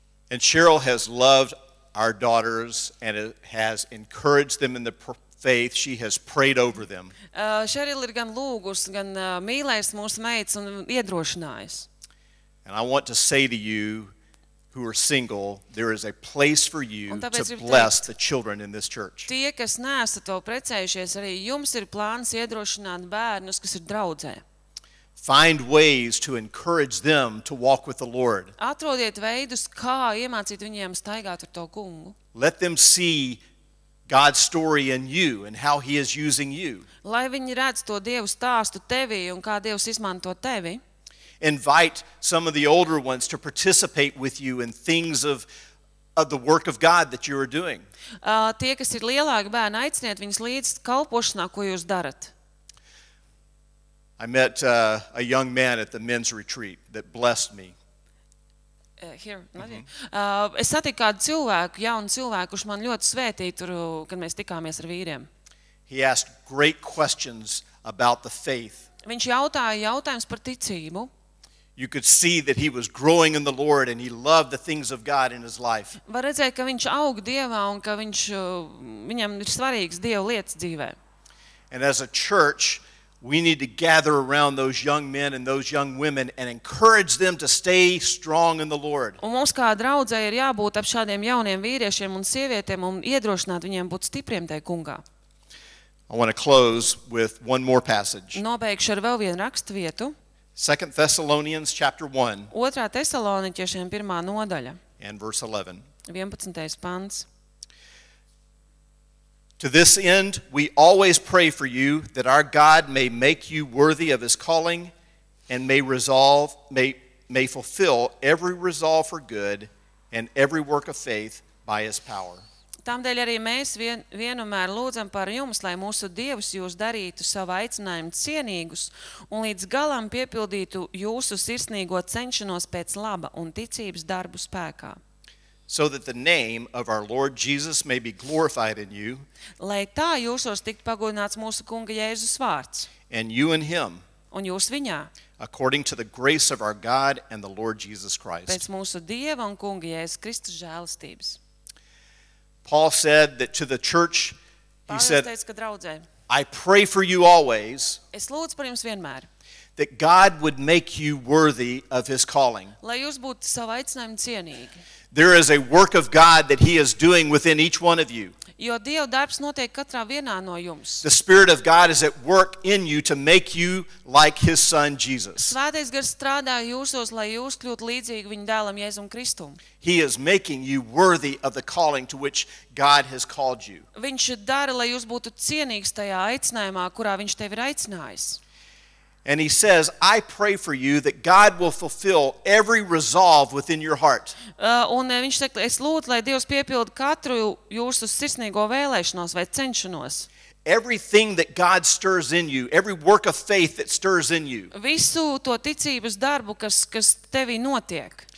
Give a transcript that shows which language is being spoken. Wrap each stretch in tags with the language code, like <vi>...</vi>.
<en>And Cheryl has loved our daughters and has encouraged them in the faith. She has prayed over them.</en> <lv>Cheryl ir gan lūgus, gan mīlējis mūsu meitas un iedrošinājis.</lv> <en>And I want to say to you, who are single, there is a place for you to bless the children in this church.</en> <lv>Tie, kas neesat vēl precējušies, arī jums ir plāns iedrošināt bērnus, kas ir draudzē.</lv> <en>Find ways to encourage them to walk with the Lord.</en> <lv>Atrodiet veidus, kā iemācīt viņiem staigāt ar to kungu.</lv> <en>Let them see God's story in you and how he is using you.</en> <lv>Lai viņi redz to Dievu stāstu tevī un kā Dievs izmanto tevi.</lv> <en>Invite some of the older ones to participate with you in things of the work of God that you are doing.</en> <lv>Tie, kas ir lielāki bērni, aiciniet viņus līdz kalpošanā, ko jūs darat.</lv> <en>I met a young man at the men's retreat that blessed me.</en> <lv>Es satiku kādu cilvēku, jaunu cilvēku, kurš man ļoti svētīja tur, kad mēs tikāmies ar vīriem.</lv> <en>He asked great questions about the faith.</en> <lv>Viņš jautāja jautājumus par ticību.</lv> <en>You could see that he was growing in the Lord and he loved the things of God in his life.</en> <lv>Var redzēt, ka viņš aug Dievā un ka viņš, viņam ir svarīgs Dieva lietas dzīvē.</lv> <en>And as a church, we need to gather around those young men and those young women and encourage them to stay strong in the Lord.</en> <lv>Un mums kā draudzē ir jābūt ap šādiem jauniem vīriešiem un sievietēm un iedrošināt viņiem būt stipriem tajā Kungā.</lv> <en>I want to close with one more passage.</en> <lv>Nobeigšu ar vēl vienu rakstvietu.</lv> <en>2 Thessalonians chapter 1.</en> <lv>2. Tesaloniķiešiem 1. Nodaļa.</lv> <en>And verse 11.</en> <lv>11. Pants.</lv> <en>To this end, we always pray for you that our God may make you worthy of his calling and may fulfill every resolve for good and every work of faith by his power.</en> <lv>Tāmdēļ arī mēs vienmēr lūdzam par jums, lai mūsu Dievs jūs darītu savu aicinājumu cienīgus un līdz galam piepildītu jūsu sirsnīgo cenšanos pēc laba un ticības darbu spēkā.</lv> <en>So that the name of our Lord Jesus may be glorified in you.</en> <lv>Lai tā jūsos tikt pagodināts mūsu Kunga Jēzus vārds.</lv> <en>And you in him.</en> <lv>Un jūs viņā.</lv> <en>According to the grace of our God and the Lord Jesus Christ.</en> <lv>Pēc mūsu Dieva un Kunga Jēzus Kristus žēlastības.</lv> <en>Paul said that to the church, he said, I pray for you always.</en> <lv>Es lūdzu par jums vienmēr.</lv> <en>That God would make you worthy of his calling.</en> <lv>Lai jūs būtu savu aicinājumu cienīgi.</lv> <en>There is a work of God that he is doing within each one of you.</en> <lv>Jo Dieva darbs notiek katrā vienā no jums.</lv> <en>The Spirit of God is at work in you to make you like his son Jesus.</en> <lv>Svētais Gars strādā jūsos, lai jūs kļūtu līdzīgi viņa dēlam Jēzum Kristum.</lv> <en>He is making you worthy of the calling to which God has called you.</en> <lv>Viņš dara, lai jūs būtu cienīgs tajā aicinājumā, kurā viņš tevi ir aicinājis.</lv> <en>And he says, I pray for you that God will fulfill every resolve within your heart.</en> <lv>Un viņš saka, es lūdzu, lai Dievs piepildu katru jūsu sirsnīgo vēlēšanos vai cenšanos.</lv> <en>Everything that God stirs in you, every work of faith that stirs in you.</en> <lv>Visu to ticības darbu, kas tevī notiek.</lv>